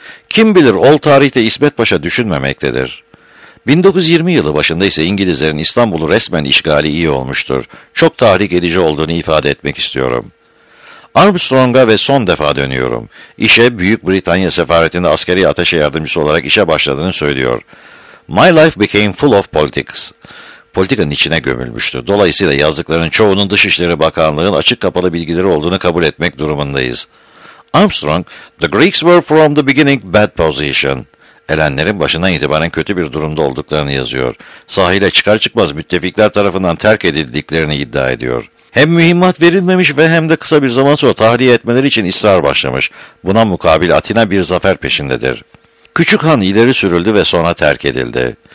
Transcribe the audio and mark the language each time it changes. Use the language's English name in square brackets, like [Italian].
[Turkish] Kim bilir ol tarihte İsmet Paşa düşünmemektedir. 1920 yılı başında ise İngilizlerin İstanbul'u resmen işgali iyi olmuştur. Çok tahrik edici olduğunu ifade etmek istiyorum. Armstrong'a ve son defa dönüyorum. İşe Büyük Britanya sefaretinde askeri ateşe yardımcısı olarak işe başladığını söylüyor. [English] My life became full of politics. [Turkish] Politikanın içine gömülmüştü. Dolayısıyla yazdıklarının çoğunun Dışişleri Bakanlığı'nın açık kapalı bilgileri olduğunu kabul etmek durumundayız. [English] Armstrong, the Greeks were from the beginning bad position. [Turkish] Elenlerin başından itibaren kötü bir durumda olduklarını yazıyor. Sahile çıkar çıkmaz müttefikler tarafından terk edildiklerini iddia ediyor. Hem mühimmat verilmemiş ve hem de kısa bir zaman sonra tahliye etmeleri için ısrar başlamış. Buna mukabil Atina bir zafer peşindedir. Küçük Han ileri sürüldü ve sonra terk edildi.